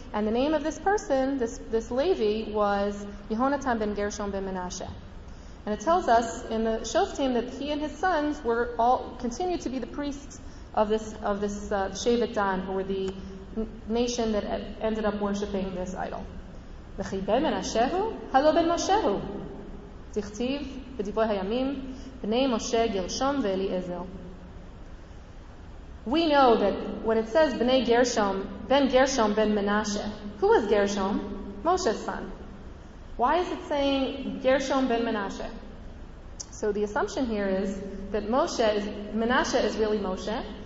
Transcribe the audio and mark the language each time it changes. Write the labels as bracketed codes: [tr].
[en] And the name of this person, this Levi, was Yehonatan ben Gershom ben Menasheh. And it tells us in the Shoftim that he and his sons continued to be the priests of this Shevet Dan, who were the nation that ended up worshipping this idol. [he] וכי בן מנשה הוא? הלא בן משה הוא. תכתיב בדברי הימים, בני משה גרשום ואליעזר. [en] We know that when it says [he] בני גרשום, בן גרשום בן מנשה, [en] who was גרשום? Moshe's son. Why is it saying גרשום בן מנשה? So the assumption here is that Moshe is really Moshe,